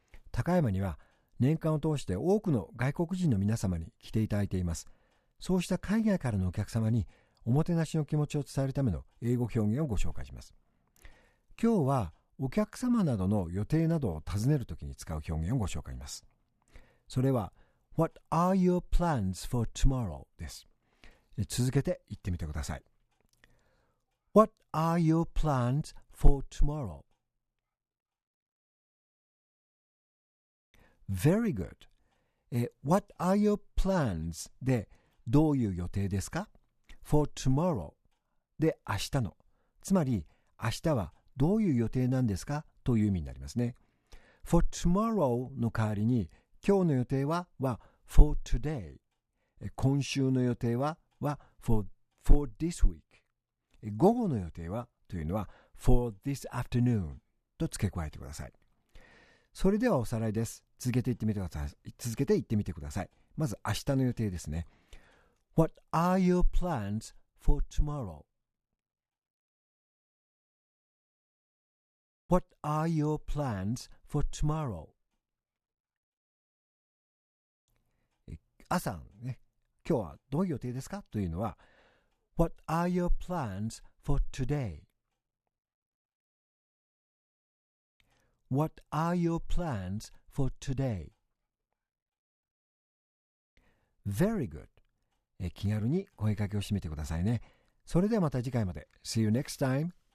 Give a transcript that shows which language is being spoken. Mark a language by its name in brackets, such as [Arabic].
[Japanese] 高山には年間を通して多くの外国人の皆様に来ていただいています。そうした海外からのお客様におもてなしの気持ちを伝えるための英語表現をご紹介します。今日はお客様などの予定などを尋ねるときに使う表現をご紹介します。それは [English] What are your plans for tomorrow? [Japanese] です。続けて言ってみてください。 [English] What are your plans for tomorrow? Very good. What are your plans? [Japanese] でどういう予定ですか? [English] For tomorrow. [Japanese] で明日の。つまり明日はどういう予定なんですか?という意味になりますね。 [English] For tomorrow [Japanese] の代わりに今日の予定は、は [English] for today。 [Japanese] 今週の予定は、は [English] for this week。 [Japanese] 午後の予定はというのは [English] for this afternoon [Japanese] と付け加えてください。それではおさらいです。続けて言ってみてください。まず明日の予定ですね。 [English] What are your plans for tomorrow? What are your plans for tomorrow? [Japanese] 朝、ね、今日はどういう予定ですかというのは [English] What are your plans for today? What are your plans for today? Very good. [Japanese] 気軽に声かけをしてみてくださいね。それではまた次回まで。 [English] See you next time.